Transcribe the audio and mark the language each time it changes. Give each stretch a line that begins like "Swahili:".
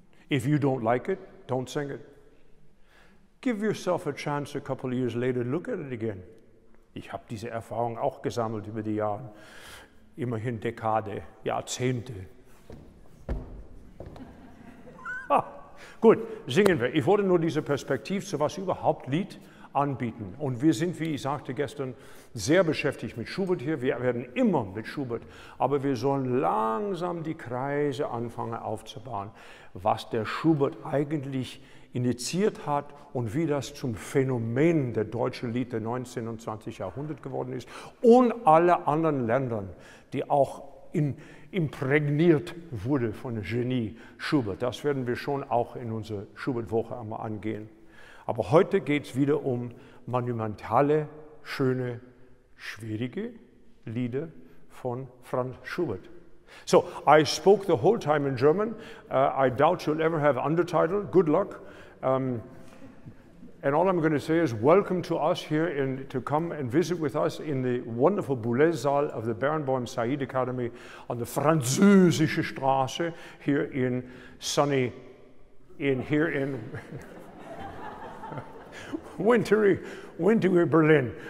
English: If you don't like it, don't sing it. Give yourself a chance a couple of years later, look at it again.
German: Ich habe diese Erfahrung auch gesammelt über die Jahre. Immerhin Dekade, Jahrzehnte. Gut, singen wir. Ich wollte nur diese Perspektive zu was überhaupt Lied anbieten. Und wir sind, wie ich sagte gestern, sehr beschäftigt mit Schubert hier. Wir werden immer mit Schubert. Aber wir sollen langsam die Kreise anfangen aufzubauen, was der Schubert eigentlich initiiert hat und wie das zum Phänomen der deutschen Lieder 19. und 20. Jahrhundert geworden ist und alle anderen Länder, die auch imprägniert wurde von Genie Schubert. Das werden wir schon auch in unserer Schubert-Woche einmal angehen. Aber heute geht es wieder um monumentale, schöne, schwierige Lieder von Franz Schubert.
English: So, I spoke the whole time in German. I doubt you'll ever have undertitle. Good luck. And all I'm going to say is welcome to us here and to come and visit with us in the wonderful Boulez-Saal of the Barenboim Said Academy on the Französische Straße here in sunny, here in wintry Berlin.